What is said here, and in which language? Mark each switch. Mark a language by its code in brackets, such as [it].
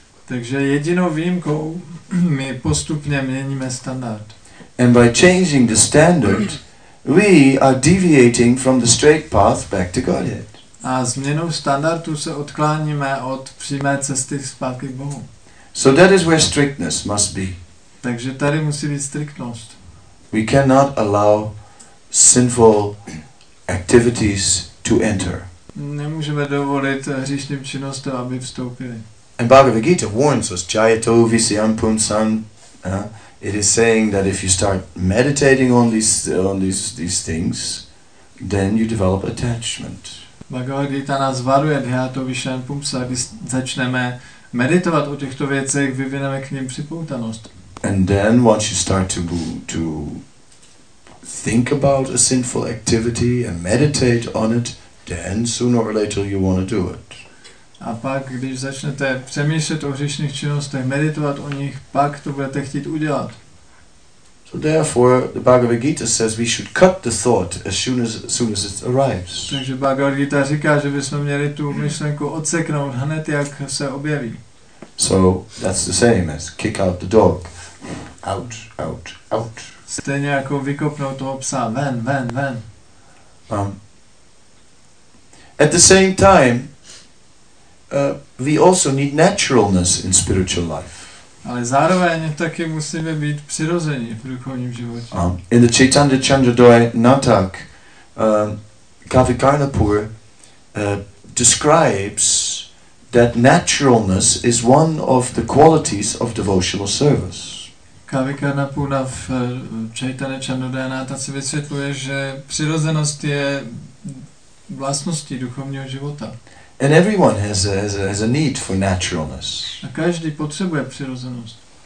[cs] Takže jedinou výjimkou my postupně měníme standard. [en] And by changing the standard, we are deviating from the straight path back to Godhead. [cs] A změnou standardu se odkláníme od přímé cesty zpátky k Bohu. [en] So that is where strictness must be. [cs] Takže tady musí být striktnost. [en] We cannot allow sinful activities to enter. [cs] Nemůžeme dovolit hříšným činnostem, aby vstoupili. [en] And Bhagavad Gita warns us, [sa] Jayato visyam punsan. [en] It is saying that if you start meditating on these things, then you develop attachment. [cs] Bhagavad Gita nás varuje, [sa] Dhyato visyam punsan, [cs] když začneme meditovat o těchto věcech, vyvineme k ním připoutanost. [en] And then once you start to think about a sinful activity and meditate on it, then sooner or later you want to do it. [cs] A pak, když začnete přemýšlet o hříšných činnostech, meditovat o nich, pak to budete chtít udělat. [en] So therefore, the Bhagavad Gita says we should cut the thought as soon as it arrives. [cs] Takže Bhagavad Gita říká, že bychom měli tu myšlenku odseknout hned, jak se objeví. [en] So that's the same as kick out the dog. Out, out, out. [cs] Stejně jako vykopnout toho psa ven, ven, ven. [en] At the same time, we also need naturalness in spiritual life. [cs] Ale zároveň taky musíme být přirození v duchovním životě. [en] In the Chaitanya Chandradoya Natak, Kavi Karnapur describes that naturalness is one of the qualities of devotional service. [cs] Kavi Karnapur v Chaitanya Chandradoya Nataci vysvětluje, že přirozenost je vlastností duchovního života. [en] And everyone has a need for naturalness. [cs] A každý potřebuje přirozenost.